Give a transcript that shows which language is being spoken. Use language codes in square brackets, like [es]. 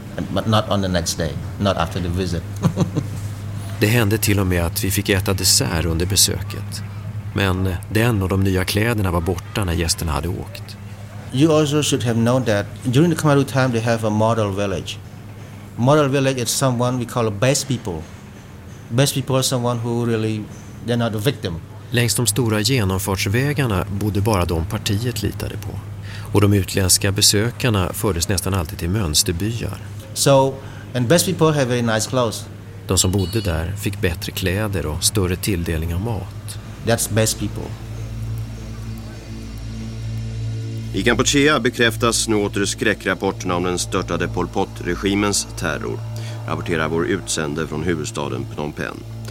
[en] But not on the next day, not after the visit. [sv] Det hände till och med att vi fick äta dessert under besöket. Men den och de nya kläderna var borta när gästerna hade åkt. [en] You also should have known that during the Khmeru time they have a model village. Model village is someone we call a best people. Best people are someone who really they're not a victim. [sv] Längs de stora genomfartsvägarna bodde bara de partiet litade på. Och de utländska besökarna fördes nästan alltid till mönsterbyar. [en] So, and best people have very nice clothes. [sv] De som bodde där fick bättre kläder och större tilldelning av mat. [en] That's best people. [sv] I Kampuchea bekräftas nu åter skräckrapporterna om den störtade Pol Pot-regimens terror, rapporterar vår utsände från huvudstaden Phnom Penh.